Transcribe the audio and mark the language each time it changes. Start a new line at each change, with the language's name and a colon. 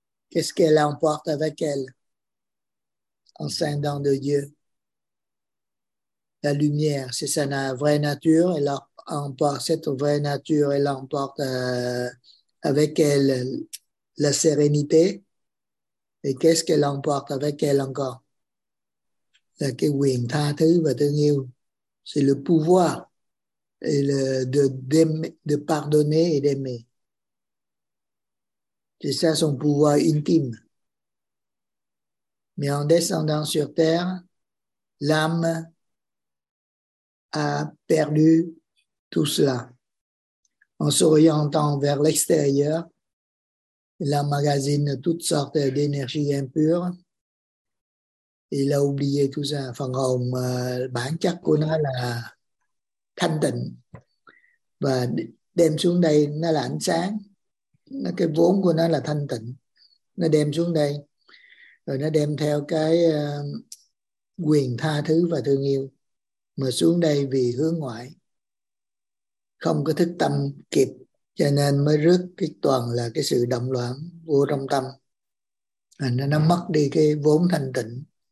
French: Qu'est-ce qu'elle emporte avec elle? En scindant de Dieu. La lumière, c'est sa vraie nature. Elle emporte cette vraie nature. Elle emporte avec elle la sérénité. Et qu'est-ce qu'elle emporte avec elle encore?
Vietnamese: La cái quyền tha thứ và thương yêu.
French: C'est le pouvoir. Et de pardonner et d'aimer. C'est ça son pouvoir intime. Mais en descendant sur terre, l'âme a perdu tout cela. En s'orientant vers l'extérieur, elle emmagasine toutes sortes d'énergies impures. Il a oublié tout ça.
Vietnamese: Phần hồn, bản chất của nó là thanh tịnh, và đem xuống đây nó là ánh sáng, nó cái vốn của nó là thanh tịnh, nó đem xuống đây rồi nó đem theo cái quyền tha thứ và thương yêu, mà xuống đây vì hướng ngoại không có thức tâm kịp, cho nên mới rước cái toàn là cái sự động loạn vô trong tâm, rồi nó mất đi cái vốn thanh tịnh.